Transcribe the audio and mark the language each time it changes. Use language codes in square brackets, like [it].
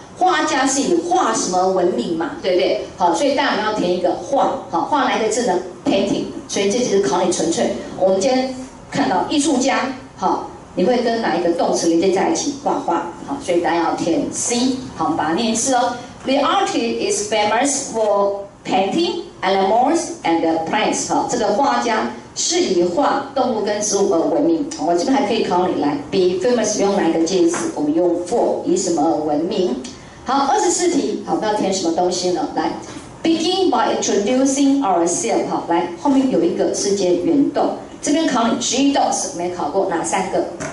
[zh] 画家是以画什么闻名嘛，对不对？好，所以大家要填一个画，好，画哪个字呢 ？painting。所以这只是考你纯粹。我们今天看到艺术家，好，你会跟哪一个动词连接在一起？画画，好，所以大家要填 C。好，我们把它念一次哦。 [en] The artist is famous for painting animals and plants。 [zh] 好，这个画家是以画动物跟植物而闻名。我这边还可以考你来 ，be famous 用哪一个介词？我们用 for， 以什么而闻名？好，24题，好，要填什么东西呢？来 ， [en] begin by introducing ourselves。 [zh] 好，来，后面有一个是接原动，这边考你实义动词没考过哪三个？